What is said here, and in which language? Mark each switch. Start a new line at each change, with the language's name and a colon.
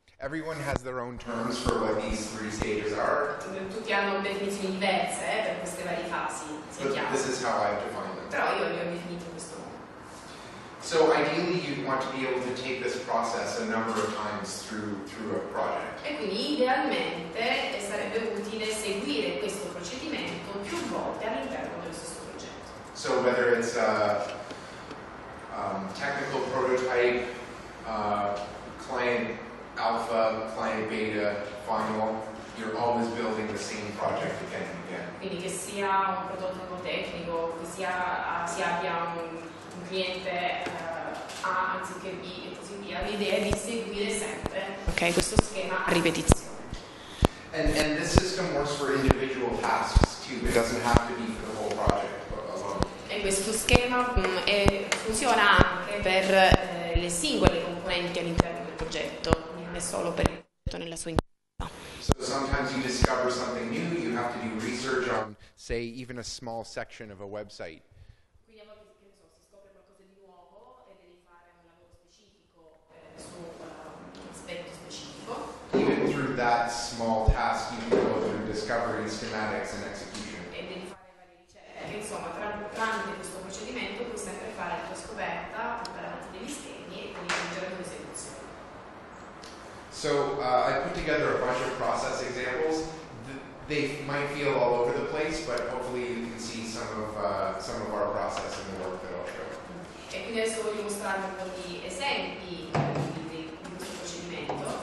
English: Everyone has their own terms for what these three stages are.
Italian: Tutti hanno definizioni diverse per queste varie fasi.
English: This is how I've defined them.
Italian: Però io li ho definiti in questo modo.
English: So ideally, you'd want to be able to take this process a number of times through a project.
Italian: E quindi idealmente sarebbe utile seguire questo procedimento più volte all'interno dello stesso progetto.
English: So whether it's a technical prototype, client alpha, client beta, final, you're always building the same project again and again.
Italian: Quindi che sia un prototipo tecnico, che sia abbia un cliente A anziché B e così via, l'idea è di seguire sempre questo schema a ripetizione.
English: And this system works for individual tasks too. It doesn't have to be for the whole project alone.
Italian: E questo schema funziona anche per le singole componenti all'interno del progetto, non è solo per il progetto nella sua interezza.
English: So sometimes you discover something new, you have to do research on, say, even a small section of a website.
Italian: Quindi a volte, che ne so, si scopre qualcosa di nuovo e devi fare un lavoro specifico su un aspetto specifico.
English: Even through that small task, you can go through discovery, schematics, and execution.
Italian: E devi fare varie ricerche. Insomma, tramite questo procedimento puoi sempre fare la tua scoperta, tramite degli schemi e quindi aggiungere le esecuzioni.
English: So, I put together a bunch of process examples. They might feel all over the place, but hopefully you can see some of our process and the work that I'll show.
Italian: E quindi adesso voglio mostrarvi un po' di esempi di questo procedimento.